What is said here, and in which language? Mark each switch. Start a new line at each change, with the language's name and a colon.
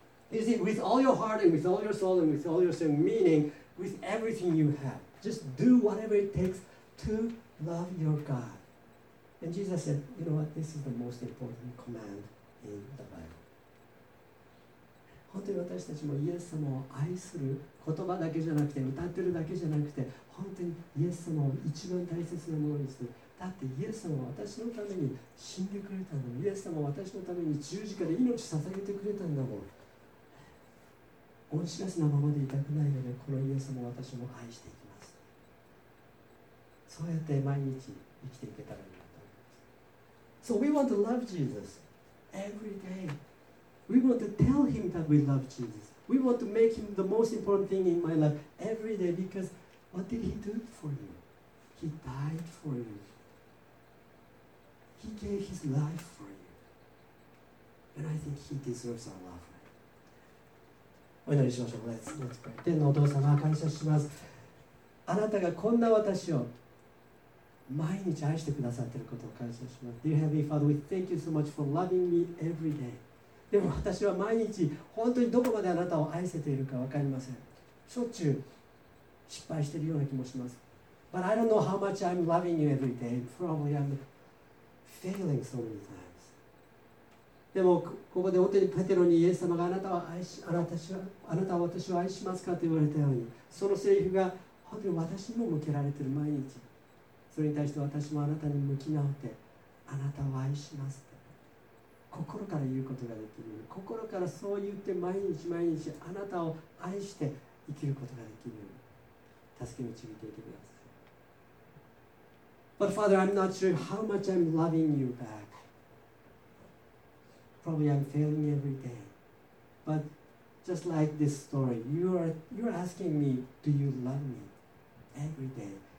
English: You see, with all your heart and with all your soul and with all your strength, meaning with everything you have, just do whatever it takes to love your God. And Jesus said, you know what, this is the most important command in the Bible.
Japanese: 本当に私たちもイエス様を愛する言葉だけじゃなくて歌ってるだけじゃなくて本当にイエス様を一番大切なものにする。だってイエス様は私のために死んでくれたんだもん。イエス様は私のために十字架で命を捧げてくれたんだもん。恩知らずなままでいたくないので、このイエス様を私も愛していきます。そうやって毎日生きていけたらいいなと思います。
English: So we want to love Jesus every day. We want to tell him that we love Jesus. We want to make him the most important thing in my life every day, because what did he do for you? He died for you. He gave his life for you. And I think he deserves our love.
Japanese: お祈りしましょう。
English: Let's pray.
Japanese: 天のお父様、感謝します。あなたがこんな私を毎日愛してくださっていることを感謝します。
English: Dear Heavenly Father, we thank you so much for loving me every day.
Japanese: でも私は毎日本当にどこまであなたを愛せているか分かりません。しょっちゅう失敗しているような気もします。
English: But I don't know how much I'm loving you every day. Probably I'm failing so many times.
Japanese: でもここで本当にペテロにイエス様があなたは愛し、あなたは私を愛しますかと言われたように、そのセリフが本当に私にも向けられている毎日、それに対して私もあなたに向き直ってあなたを愛しますと心から言うことができるように、心からそう言って毎日毎日あなたを愛して生きることができるように、助け導いていきます。
English: But Father, I'm not sure how much I'm loving you backProbably I'm failing every day. But just like this story, you're asking me, do you love me every day?